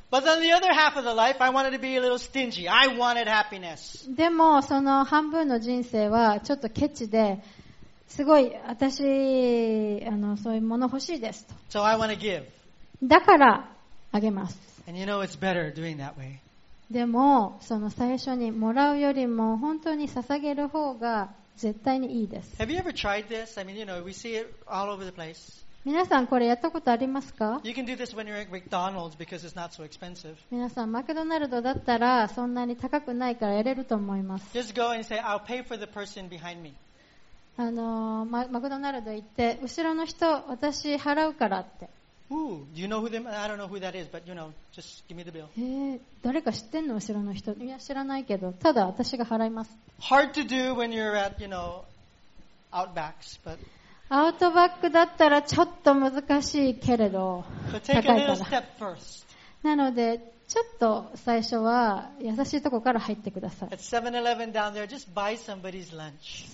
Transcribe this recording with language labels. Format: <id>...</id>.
<en>But on the other half of the life, I wanted to be a little stingy. I wanted happiness.</en> <ja>でもその半分の人生はちょっとケチで、すごい私そういうもの欲しいですと。</ja> <en>So I want to give.</en> <ja>だからあげます。</ja> <en>And you know it's better doing that way.</en> <ja>でもその最初にもらうよりも本当に捧げる方が絶対にいいです。</ja> <en>Have you ever tried this? I mean, you know, we see it all over the place.</en> <ja>皆さんこれやったことありますか？</ja> <en>You can do this when you're at McDonald's because it's not so expensive.</en> <ja>皆さんマクドナルドだったらそんなに高くないからやれると思います。</ja> <en>Just go and say, I'll pay for the person behind me.</en> <ja>マクドナルド行って後ろの人私払うからって。</ja> <en>Ooh, do you know who them? I don't know who that is, but you know, just give me the bill.</en> <ja>誰か知ってんの後ろの人？いや知らないけど、ただ私が払います。</ja> <en>Hard to do when you're at, you know, outbacks, but.</en> <ja>アウトバックだったらちょっと難しいけれど。</ja> <en>But take a little step first.</en> <ja>なので、ちょっと最初は優しいとこから入ってください。</ja> <en>At 7-Eleven down there, just buy somebody's lunch.</en>